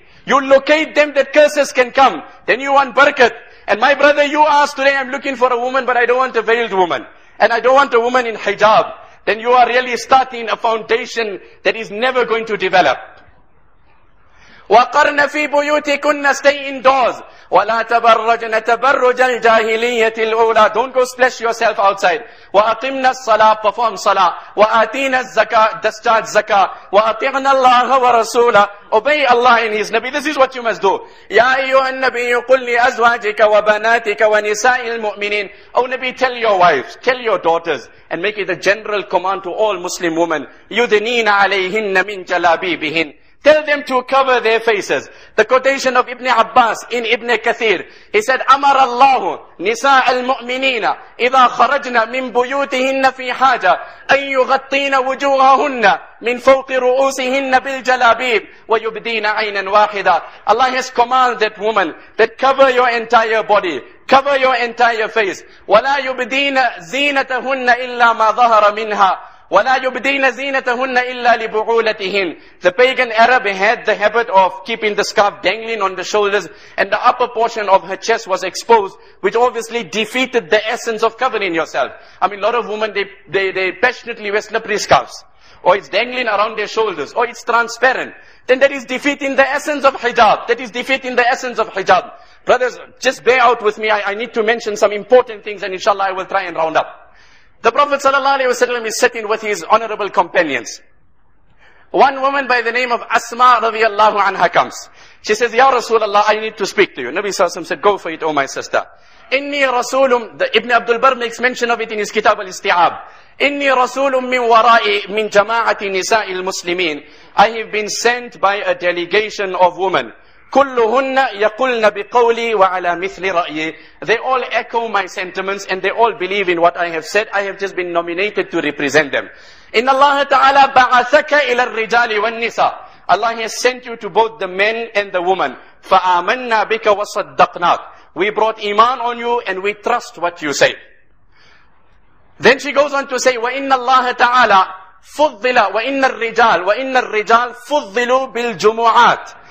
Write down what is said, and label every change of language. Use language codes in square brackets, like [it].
[en] You locate them that curses can come. Then you want barakat. And my brother, you ask today, I'm looking for a woman, but I don't want a veiled woman. And I don't want a woman in hijab. Then you are really starting a foundation that is never going to develop. [ar] وَقَرْنَ فِي بُيُوتِكُنَّ. [en] Stay indoors. [ar] ولا تبرجن تبرج الجاهلية الأولى. [en] Don't go splash yourself outside. [ar] وأقمنا الصلاة, [en] perform [ar] صلاة. وآتينا الزكاة, [en] discharge [ar] زكاة. وأطيعنا الله ورسوله, [en] obey Allah and His Nabi. This is what you must do. [ar] يا أيها النبي قل لأزواجك وبناتك ونساء المؤمنين. [en] Oh Nabi, tell your wives, tell your daughters, and make it a general command to all Muslim women. [ar] يدنين عليهن من جلابيبهن. [en] Tell them to cover their faces. The quotation of Ibn Abbas in Ibn Kathir. He said, [ar] أمر الله نساء المؤمنين إذا خرجنا من بيوتهن في حاجة أن يغطين وجوههن من فوق رؤوسهن بالجلابيب ويبدين عينا واحدة. [en] Allah has commanded that woman that cover your entire body, cover your entire face. [ar] ولا يبدين زينتهن إلا ما ظهر منها. وَلَا يُبْدِينَ زِينَتَهُنَّ إِلَّا لِبُعُولَتِهِنَّ. [en] The pagan Arab had the habit of keeping the scarf dangling on the shoulders, and the upper portion of her chest was exposed, which obviously defeated the essence of covering yourself. I mean, a lot of women, they passionately wear slippery scarves, or it's dangling around their shoulders, or it's transparent. Then that is defeating the essence of hijab. That is defeating the essence of hijab. Brothers, just bear out with me. I need to mention some important things, and inshallah I will try and round up. The Prophet sallallahu alaihi wasallam is sitting with his honorable companions. One woman by the name of Asma radiallahu anha comes. She says, Ya Rasulullah, I need to speak to you. Nabi sallallahu alaihi wasallam said, go for it, O my sister. [ar] Inni rasulum, [en] Ibn Abdul Barr makes mention of it in his Kitab al-Isti'ab. [ar] Inni rasulum min wara'i min jama'ati nisa'i al-muslimin. [en] I have been sent by a delegation of women. [ar] كلهن يقولن بقولي وعلى مثل رأيي. [en] They all echo my sentiments and they all believe in what I have said. I have just been nominated to represent them. [ar] إن الله تعالى بعثك إلى الرجال والنساء. [en] Allah has sent you to both the men and the women. [ar] فآمنا بك وصدقناك. [en] We brought iman on you and we trust what you say. Then she goes on to say, [ar] وإن الله تعالى فضل وإن الرجال فضلوا بالجمعات.